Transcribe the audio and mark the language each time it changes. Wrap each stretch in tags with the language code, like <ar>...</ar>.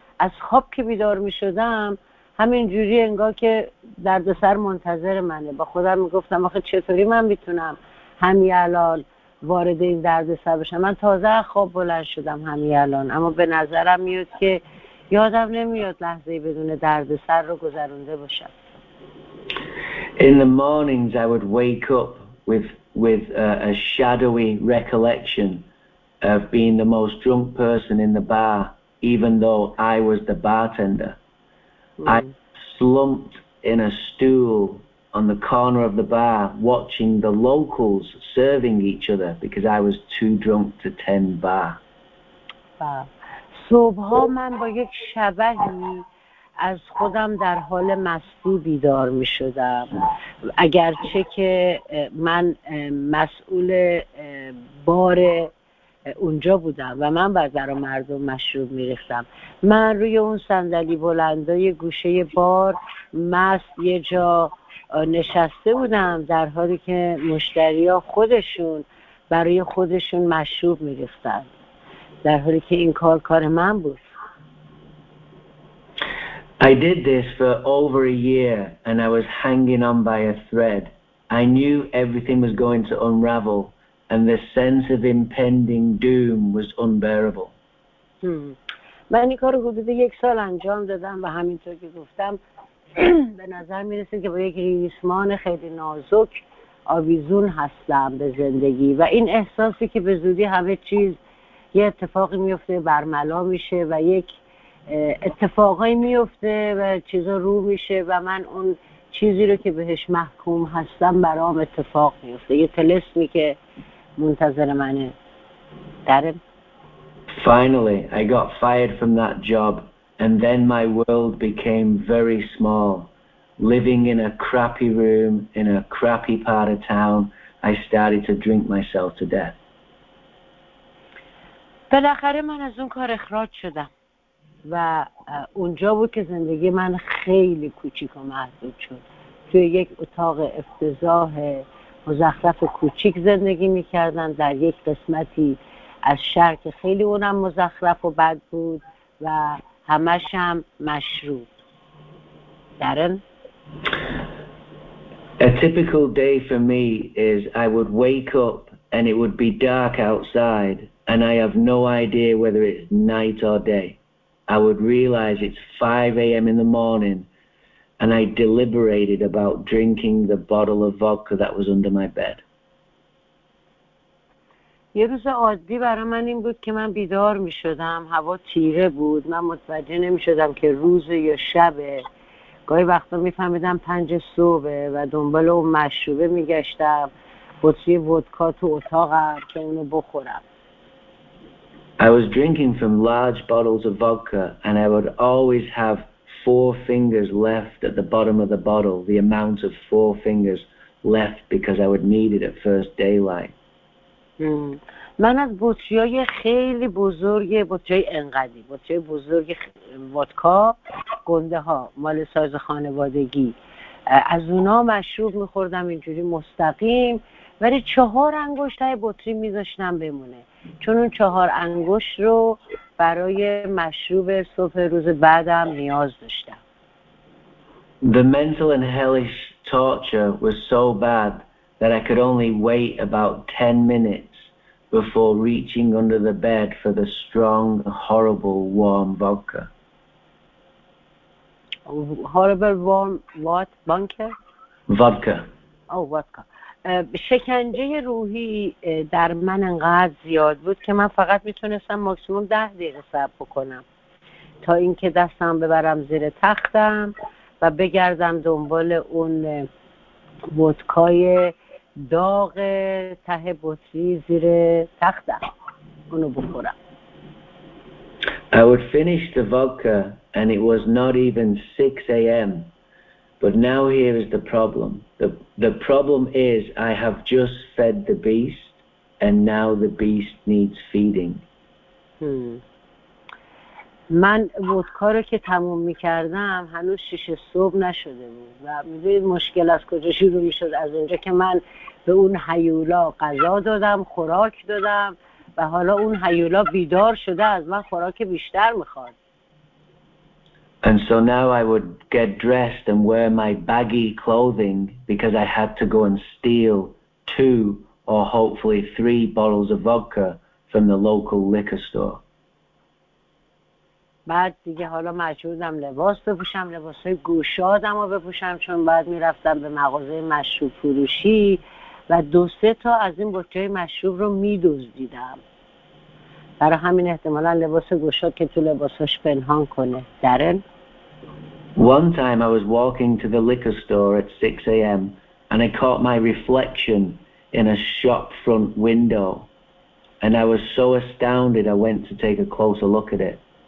<fa>از خواب که بیدار می شدم همین جوری انگار که دردسر منتظر منه. با خودم می گفتم آخه چطوری من میتونم همین الان وارد این دردسر بشم؟ من تازه خواب بلند شدم همین الان، اما به نظرم میاد که یادم نمیاد لحظه‌ای بدون دردسر رو گذرونده باشم.</fa> <en>In the mornings I would wake up with a shadowy recollection of being the most drunk person in the bar, even though I was the bartender. I slumped in a stool on the corner of the bar watching the locals serving each other because I was too drunk to tend bar.</en> <fa>صبح ها من با یک شبحی از خودم در حال مستی بیدار می شدم، اگرچه که من مسئول بار اونجا بودم و من بعد در مردم مشروب می ریختم. من روی اون صندلی بلندای گوشه بار مست یه جا نشسته بودم در حالی که مشتری ها خودشون برای خودشون مشروب می ریختن، در حالی که این کار من بود.</fa> <en>I did this for over a year and I was hanging on by a thread. I knew everything was going to unravel and the sense of impending doom was unbearable.</en> <fa>من این کارو حدود یک سال انجام دادم و همینطور که گفتم به نظر میرسید که با یک ریسمان خیلی نازک آویزون هستم به زندگی و این احساسی که به زودی همه چیز یه اتفاقی میفته برملا میشه و یک اتفاقی میفته و چیزا رو میشه و من اون چیزی رو که بهش محکوم هستم برام اتفاق میفته، یه تلسمی که منتظر منه.</fa> <en>Finally I got fired from that job and then my world became very small. Living in a crappy room in a crappy part of town, I started to drink myself to death.</en> <fa>بالاخره من از اون کار اخراج شدم و اونجا بود که زندگی من خیلی کوچیک و محدود شد. توی یک اتاق افتضاح مزخرف و کوچیک زندگی میکردم در یک قسمتی از شهر که خیلی اونم مزخرف و بد بود و همش هم مشروب. درن؟</fa> <en>A typical day for me is I would wake up and it would be dark outside and I have no idea whether it's night or day. I would realize it's 5 a.m. in the morning and I deliberated about drinking the bottle of vodka that was under my bed.</en> <fa>یه روز عادی برای من این بود که من بیدار می شدم، هوا تیره بود، من متوجه نمی شدم که روز یا شبه. گاهی وقتا می فهمیدم 5 صبح و دنبال اون مشروبه می گشتم، بطری ودکا تو اتاقم که اونو بخورم.</fa> <en>I was drinking from large bottles of vodka and I would always have four fingers left at the bottom of the bottle, the amount of four fingers left because I would need it at first daylight.</en> <fa>من از بطری‌های خیلی بزرگ، بطری‌های انقدی، بطری‌های بزرگ ودکا، گنده ها، مال ساز خانوادگی، از اونا مشروب میخوردم اینجوری مستقیم، ولی چهار انگشت های بطری میذاشتم بمونه، چون اون چهار انگشت رو برای مشروب صبح روز بعدم نیاز داشتم.</fa> <en>The mental and hellish torture was so bad that I could only wait about 10 minutes before reaching under the bed for the strong, horrible, warm vodka. Horrible, warm, what? Bunker? Vodka. Oh, vodka.</en> <fa>شکنجه روحی در من انقدر زیاد بود که من فقط میتونستم ماکسیموم 10 دقیقه صبر بکنم تا اینکه دستم ببرم زیر تختم و بگردم دنبال اون ودکای داغ ته بطری زیر تختم اونو بخورم.</fa> <en>I would finish the vodka and it was not even 6 a.m. But now here is the problem. The problem is I have just fed the beast and now the beast needs feeding.</en> <fa>من ودکا رو که تموم می‌کردم هنوز 6 صبح نشده بود و می‌دونید مشکل از کجا شروع می‌شد؟ از اینجا که من به اون هیولا غذا دادم، خوراک دادم و حالا اون هیولا بیدار شده، از من خوراک بیشتر می‌خواد.</fa> <en>And so now I would get dressed and wear my baggy clothing because I had to go and steal 2 or hopefully 3 bottles of vodka from the local liquor store.</en> <fa>بعد دیگه حالا مجبورم لباس بپوشم، لباسای گوشادم رو بپوشم، چون بعد میرفتم به مغازه مشروب فروشی و 2-3 تا از این بطری مشروب رو میدزدیدم. برای همین احتمالا لباس گوشاد که تو لباساش پنهان کنه. درن؟</fa> <en>One time I was walking to the liquor store at 6 a.m. and I caught my reflection in a shop front window and I was so astounded I went to take a closer look at it.</en>